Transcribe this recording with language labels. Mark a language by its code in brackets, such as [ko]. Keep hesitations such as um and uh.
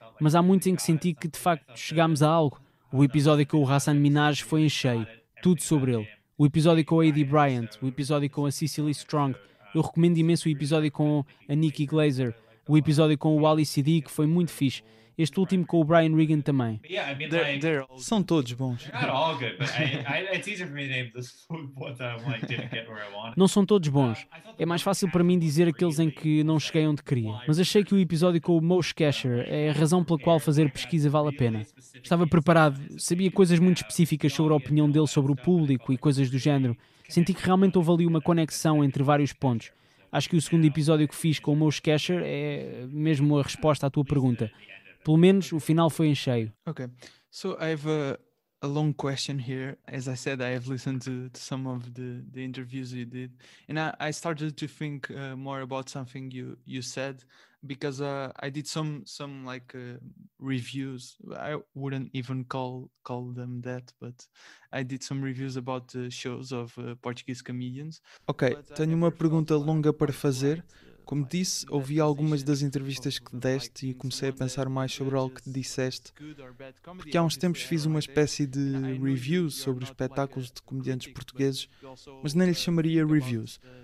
[pt] Mas há muitos em que senti que de facto chegámos a algo. O episódio com o Hassan Minaj foi em cheio. Tudo sobre ele. O episódio com a A.D. Bryant, o episódio com a Cicely Strong. Eu recomendo imenso o episódio com a Nikki Glaser. O episódio com o Ali Siddiq foi muito fixe. Este último com o Brian Regan também. [en] Yeah, I mean, They're, like, they're all [pt] São todos bons. [en] they're not all good, but I, I, it's easier for me to name this one that I'm like didn't get where I wanted. [pt] Não são todos bons. É mais fácil para mim dizer aqueles em que não cheguei onde queria. Mas achei que o episódio com o Moshe Kesher é a razão pela qual fazer pesquisa vale a pena. Estava preparado, sabia coisas muito específicas sobre a opinião dele sobre o público e coisas do género. Senti que realmente houve ali uma conexão entre vários pontos. Acho que o segundo episódio que fiz com o Moshe Kesher é mesmo a resposta à tua pergunta. Pelo menos o final foi em cheio. [en] Okay, so I have a, a long question here. As I said, I have listened to, to some of the, the interviews you did, and I, I started to think uh, more about something you you said because uh, I did some some like uh, reviews. I wouldn't even call call them that, but I did some reviews about uh, shows of uh, Portuguese comedians. [pt] Ok, tenho uma pergunta longa para fazer. Como disse, ouvi algumas das entrevistas que deste e comecei a pensar mais sobre algo que disseste, porque há uns tempos fiz uma espécie de review sobre espetáculos de comediantes portugueses, mas nem lhe chamaria reviews.